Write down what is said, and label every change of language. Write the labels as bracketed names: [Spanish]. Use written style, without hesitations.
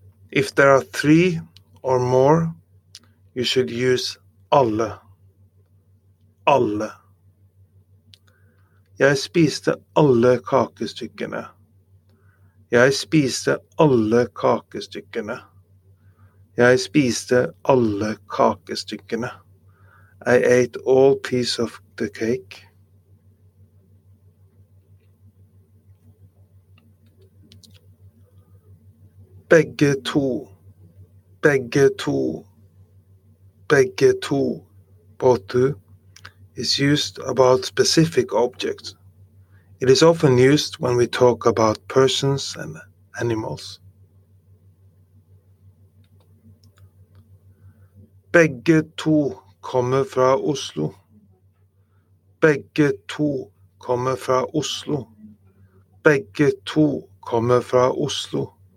[English] If there are three or more, you should use alle. [Norwegian] Alle. Jeg spiste alle kakestykkene. Jeg spiste alle kakestykkene. Jeg spiste alle kakestykkene. [English] I ate all piece of the cake. [Norwegian] Begge to. Begge to. Begge to. [English] Både to is used about specific objects. It is often used when we talk about persons and animals. [Norwegian] Begge to kommer fra Oslo. Begge to kommer fra Oslo. Begge to kommer fra Oslo.